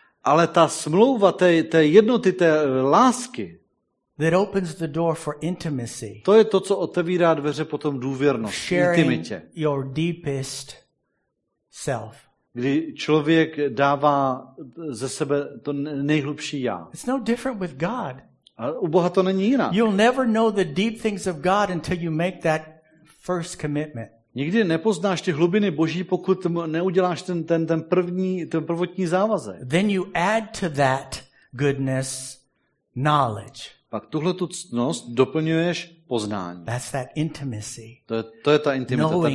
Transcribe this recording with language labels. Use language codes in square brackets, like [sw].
[cs] Ale ta smlouva té jednoty, té lásky. [en] That opens the door for intimacy. [cs] To je to, co otevírá dveře potom důvěrnost, intimitě. [en] Your deepest self. [cs] Kdy člověk dává ze sebe to nejhlubší já. [en] It's no different with God. [cs] A u Boha to není jinak. [en] You'll never know the deep things of God until you make that first commitment. [cs] Nikdy nepoznáš ty hlubiny Boží, pokud neuděláš ten prvotní závazek. [en] Then you add to that goodness knowledge. [cs] Pak tuhle tu ctnost doplňuješ poznání. [en] That's that intimacy. [cs] To je ta intimita, [en] knowing